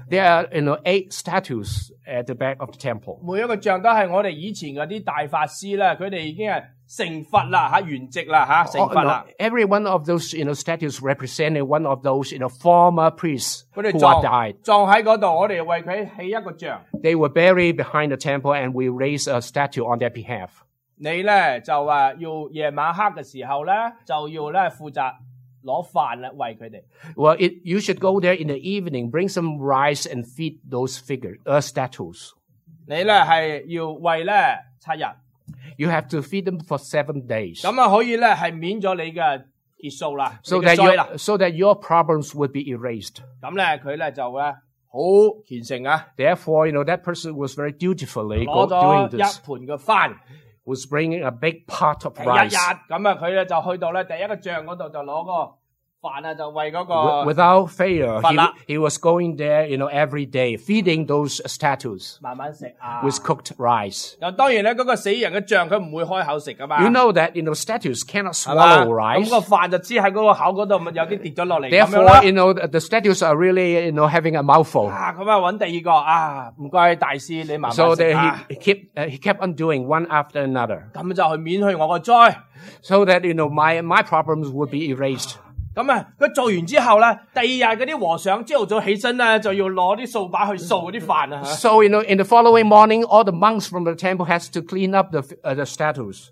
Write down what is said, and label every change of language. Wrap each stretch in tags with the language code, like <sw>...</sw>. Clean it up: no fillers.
<en>There are, you know, eight statues at the back of the temple.</en> <yue>每一个像都系我哋以前嗰啲大法师呢佢哋已经系成佛啦吓圆寂啦吓成佛啦。</yue> <en>Every one of those, you know, statues represented one of those, you know, former priests who died.</en> <yue>佢哋葬喺嗰度我哋为佢起一个像。</yue> <en>They were buried behind the temple and we raised a statue on their behalf.</en> <yue>你呢就要夜晚黑嘅时候呢就要呢负责攞饭喂佢哋。</yue> <en>Well, you should go there in the evening, bring some rice and feed those figures, statues.</en> <yue>你呢係要喂呢七日。</yue> <en>You have to feed them for 7 days.</en> <yue>咁可以呢係免咗你嘅结束啦。</yue> <en>So that your problems would be erased.</en> <yue>咁呢佢呢就呢好虔诚啊。</yue> <en>Therefore, you know, that person was very dutifully doing this.</en> <yue>攞咗一盆嘅饭。</yue> <en>Was bringing a big pot of rice.</en> <yue>第一日，咁啊，佢就去到咧第一个像嗰度，就攞个饭啊，就喂嗰个。</yue> <en>Without fail, he was going there, you know, every day, feeding those statues.</en> <yue>慢慢食啊。</yue> <en>With cooked rice.</en> <yue>咁当然咧，嗰个死人嘅像佢唔会开口食噶嘛。</yue> <en>You know that, you know, statues cannot swallow rice.</en> <yue>咁个饭就黐喺嗰个口嗰度，咪有啲跌咗落嚟。</yue> <en>Therefore, you know, the statues are really, you know, having a mouthful.</en> <yue>啊，咁啊，揾第二个啊，唔该大师，你慢慢食啊。</yue> <en>So that he kept on doing one after another.</en> <yue>咁就去免去我个灾。</yue> <en>So that you know my problems would be erased.</en> <yue>咁啊，佢做完之后呢第二日嗰啲和尚朝头早起身呢就要攞啲扫把去扫嗰啲饭啊。</yue> <en>So, you know, in the following morning, all the monks from the temple has to clean up the statues.</en>